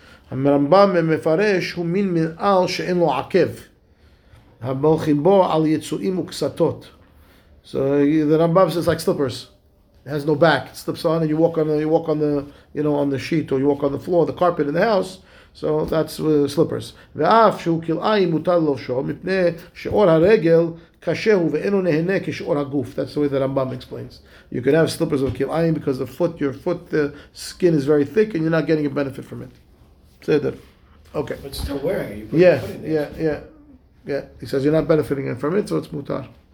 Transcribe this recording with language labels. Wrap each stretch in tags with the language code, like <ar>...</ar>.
<he>המרמב״ם מפרש הוא מין מנעל שאין לו עקב. הבולחים בו על יצועים וקסתות.</he> <en>So the Rambam says like slippers. It has no back. It slips on and you walk on the sheet or you walk on the floor, the carpet in the house. So that's slippers.</en> <he>ואף שהוא כלאי מוטל לובשו מפני שאור הרגל קשה הוא ואינו נהנה כשאור הגוף.</he> <en>That's the way the Rambam explains. You can have slippers of kilayim because your foot skin is very thick and you're not getting a benefit from it. Say that. Okay. But still wearing it. Yeah. He says you're not benefiting from it, so it's mutar.</en>